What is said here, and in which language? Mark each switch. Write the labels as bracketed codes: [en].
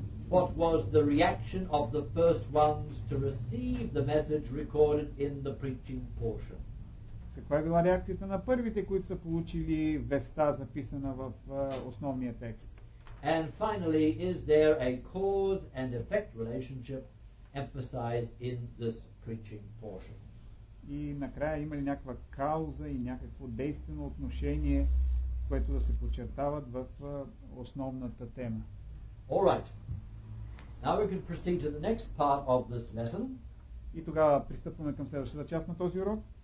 [en] What was the reaction of the first ones to receive the message recorded in the preaching portion? [bg] Каква е била реакцията на първите, които са получили веста, записана в основния текст? [en] And finally, is there a cause and effect relationship emphasized in this preaching portion? [bg] И накрая има ли някаква кауза и някакво действено отношение, което да се подчертават в основната тема? [en] All right. Now we can proceed to the next part of this lesson. [bg] И тогава пристъпваме към следващата част на този урок.